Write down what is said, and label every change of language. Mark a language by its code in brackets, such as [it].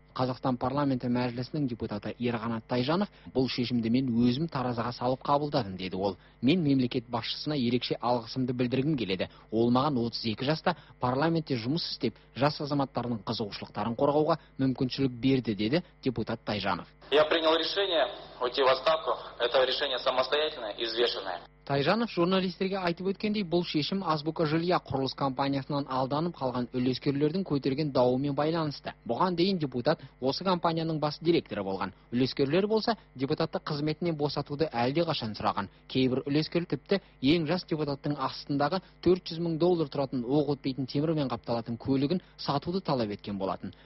[kk] Қазақстан парламенті мәжілісінің депутаты Ерғанат Тайжанов бұл шешімді мен өзім таразыға салып қабылдадым деді ол. Мен мемлекет басшысына ерекше алғысымды білдіргім келеді. Ол маған 32 жаста парламентте жұмыс істеп, жас азаматтардың қызығушылықтарын қорғауға мүмкіншілік берді деді депутат Тайжанов. [ru] Я принял решение уйти в отставку. Это решение самостоятельное и взвешенное. [kk] Тайжанов журналистерге айтып өткендей, бұл шешім Азбука жилья құрылыс компаниясынан алданып қалған үлескерлердің көтерген дауымен байланысты. Бұған дейін депутат осы компанияның бас директоры болған. Үлескерлер болса, депутатты қызметінен босатуды әлде қашан сұраған. Кейбір үлескер тіпті ең жас депутаттың астындағы 400 мың доллар тұратын оқ өтпейтін темірмен қапталатын көлігін сатуды талап еткен болатын.